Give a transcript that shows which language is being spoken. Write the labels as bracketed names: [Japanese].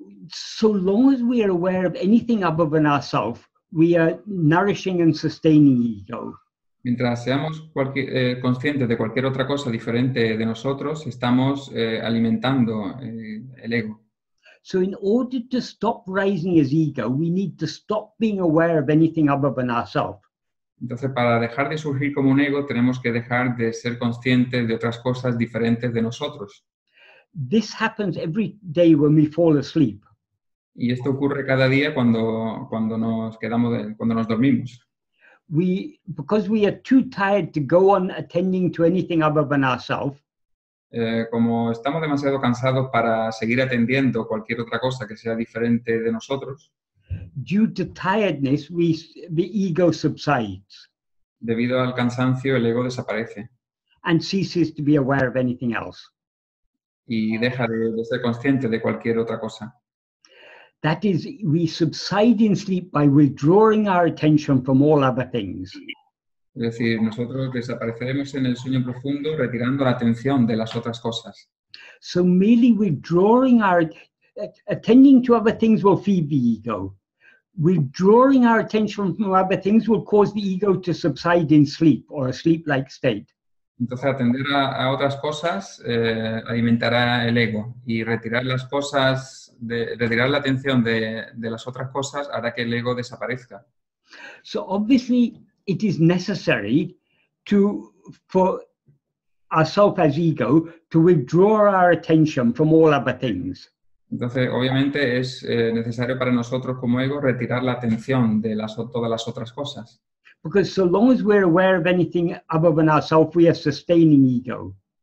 [English] So long as we are aware of anything other than ourselves, we are nourishing and sustaining ego. [Spanish] Mientras seamos conscientes de cualquier otra cosa diferente de nosotros, estamos alimentando el ego. [English] So in order to stop rising as ego, we need to stop being aware of anything other than ourselves. [Spanish] Entonces, para dejar de surgir como un ego, tenemos que dejar de ser conscientes de otras cosas diferentes de nosotros. [English] This happens every day when we fall asleep. [Spanish] Y esto ocurre cada día cuando nos dormimos. [English] Because we are too tired to go on attending to anything other than ourselves. [Spanish] Como estamos demasiado cansados para seguir atendiendo cualquier otra cosa que sea diferente de nosotros. [English] Due to tiredness, the ego subsides. [Spanish] Debido al cansancio, el ego desaparece. [English] And ceases to be aware of anything else. [Spanish] Y deja de ser consciente de cualquier otra cosa. [English] That is, we subside in sleep by withdrawing our attention from all other things. [Spanish] Es decir, nosotros desapareceremos en el sueño profundo retirando la atención de las otras cosas. [English] So merely withdrawing our attending to other things will feed the ego. Withdrawing our attention from other things will cause the ego to subside in sleep or a sleep-like state. [Spanish] Entonces, atender a otras cosas alimentará el ego, y retirar las cosas, retirar la atención de las otras cosas hará que el ego desaparezca. [English] So obviously, it is necessary for ourselves as ego to withdraw our attention from all other things. [Spanish] Entonces, obviamente, es necesario para nosotros como ego retirar la atención de todas las otras cosas. [English] Because so long as we're aware of anything other than ourselves, we are sustaining ego.